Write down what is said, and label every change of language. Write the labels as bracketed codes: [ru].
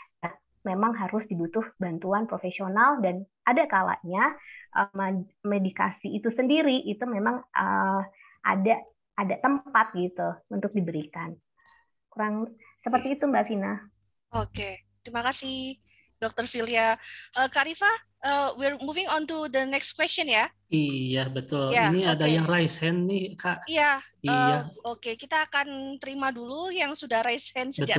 [id] Nah, memang harus dibutuh bantuan profesional, dan ada kalanya medikasi itu sendiri itu memang ada tempat gitu untuk diberikan. Kurang seperti itu Mbak Vina. Oke, terima kasih Dr. Filia. [en] Karifa, we're moving on to the next question ya. [id] Iya, betul. Yeah, ini okay. Ada yang [en] raise hand [id] nih, Kak. Iya. Yeah, oke, kita akan terima dulu yang sudah [en] raise hand [id] sejak